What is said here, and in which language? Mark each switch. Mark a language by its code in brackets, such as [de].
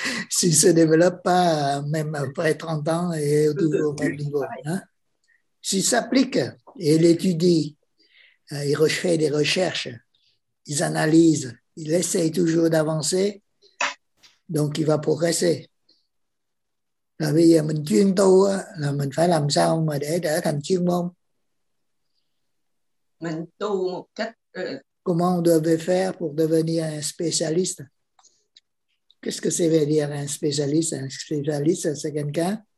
[fr] S'ils ne se développent pas, même après 30 ans, et toujours au même niveau. Hein? S'ils s'appliquent et l'étudient, ils refont des recherches, ils analysent, ils essayent toujours d'avancer, donc ils vont progresser. [vi] Là bây giờ mình chuyên tu á, là mình phải làm sao mà để trở thành chuyên môn. Mình tu một cách [fr] Comment on devait faire pour devenir un spécialiste? Qu'est-ce que ça veut dire un spécialiste? Un spécialiste, c'est quelqu'un?